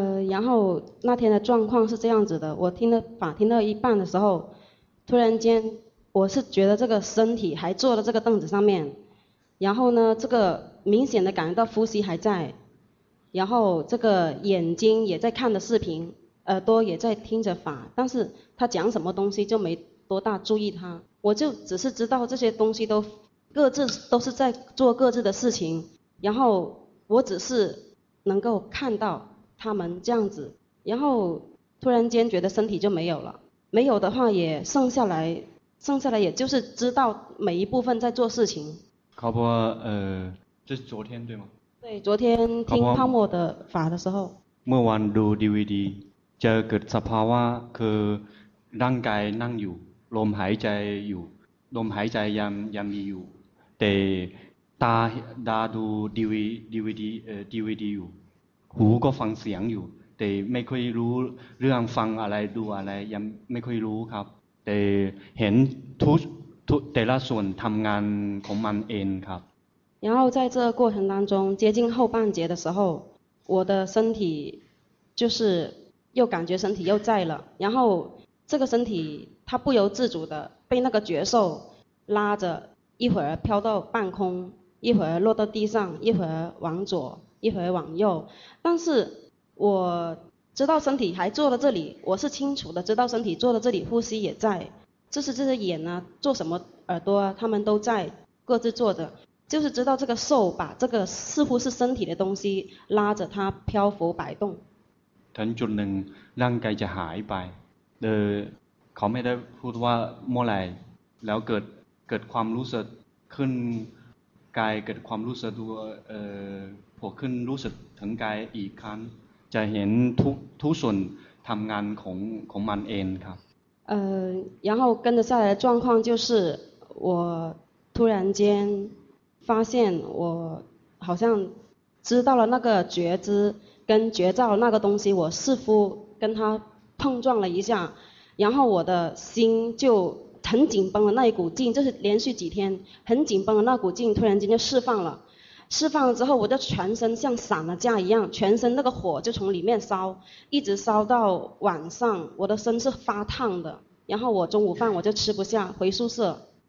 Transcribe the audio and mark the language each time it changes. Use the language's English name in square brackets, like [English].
[Chinese] 然后那天的状况是这样子的，我听了法听到一半的时候，突然间我是觉得这个身体还坐在这个凳子上面，然后呢，这个明显的感觉到呼吸还在，然后这个眼睛也在看的视频，耳朵也在听着法，但是他讲什么东西就没多大注意他，我就只是知道这些东西都各自都是在做各自的事情，然后我只是能够看到他们这样子，然后突然间觉得身体就没有了，没有的话也剩下来也就是知道每一部分在做事情。考博，这是昨天对吗？对，昨天听泡沫的法的时候。 [Thai] เมื่อวันดู DVD เจอเกิดสภาวะคือร่างกายนั่งอยู่ลมหายใจอยู่ลมหายใจยังมีอยู่แต่ตาดู DVD DVD อยู่หูก็ฟังเสียงอยู่แต่ไม่ค่อยรู้เรื่องฟังอะไรดูอะไรยังไม่ค่อยรู้ครับแต่เห็นทุกแต่ละส่วนทำงานของมันเองครับ [Chinese] 然后在这个过程当中，接近后半节的时候，我的身体就是又感觉身体又在了，然后这个身体它不由自主的被那个觉受拉着，一会儿飘到半空，一会儿落到地上，一会儿往左，一会儿往右，但是我知道身体还坐在这里，我是清楚的知道身体坐在这里，呼吸也在，就是这些眼啊，做什么耳朵啊，他们都在各自坐着。就是知道这个兽把这个似乎是身体的东西拉着它漂浮摆动。 [Thai] ถึงจุดหนึ่งร่างกายจะหายไปเขาไม่ได้พูดว่าเมื่อไรแล้วเกิดความรู้สึกขึ้นกายเกิดความรู้สึกตัวผุดขึ้นรู้สึกถึงกายอีกครั้งจะเห็นทุกส่วนทำงานของมันเองครับ [Chinese] 然后跟着下来的状况就是我突然间发现我好像知道了那个觉知跟觉照那个东西，我似乎跟它碰撞了一下，然后我的心就很紧绷的那一股劲，就是连续几天很紧绷的那股劲突然间就释放了，释放了之后我就全身像散了架一样，全身那个火就从里面烧，一直烧到晚上，我的身是发烫的，然后我中午饭我就吃不下，回宿舍。